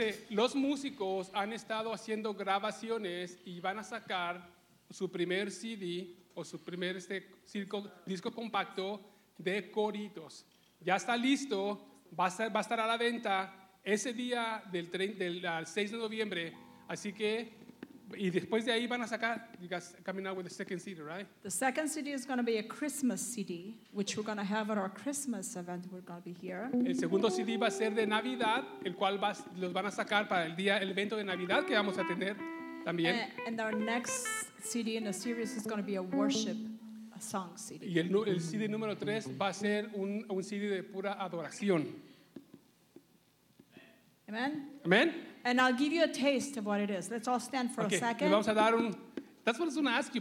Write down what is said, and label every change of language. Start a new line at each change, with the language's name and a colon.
Spanish: Los músicos han estado haciendo grabaciones y van a sacar su primer CD o su primer disco compacto de Coritos. Ya está listo, va a estar a la venta ese día del 6 de noviembre. Así que, y después de ahí van a sacar,
English: you guys coming out with the second CD, right? The second CD is going to be a Christmas CD, which we're going to have at our Christmas event. We're going to be here.
Spanish: El segundo CD va a ser de Navidad, el cual los van a sacar para el evento de Navidad que vamos a tener también.
English: And our next CD in the series is going to be a worship song CD.
Spanish: Y el CD número 3 va a ser un CD de pura adoración.
English: Amen. Amen. And I'll give you a taste of what it is. Let's all stand for okay. a second.
Spanish: Okay. Vamos a dar un.
English: That's what I was going to ask you.